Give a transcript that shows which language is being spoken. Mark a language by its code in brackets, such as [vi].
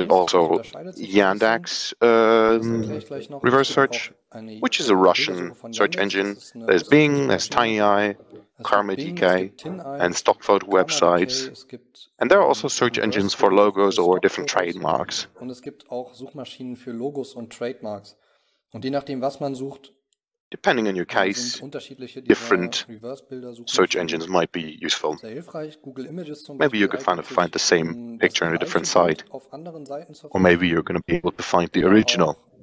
[en] There's also Yandex reverse search, which is a Russian search engine. There's Bing, there's TinyEye, Karma.dk, and stock photo websites. And there are also search engines for logos or different trademarks. [de] Und es gibt auch Suchmaschinen für Logos und Trademarks. Und je nachdem, was man sucht, [en] depending on your case, different search engines might be useful. Maybe you could find the same picture on a different site, or maybe you're going to be able to find the original.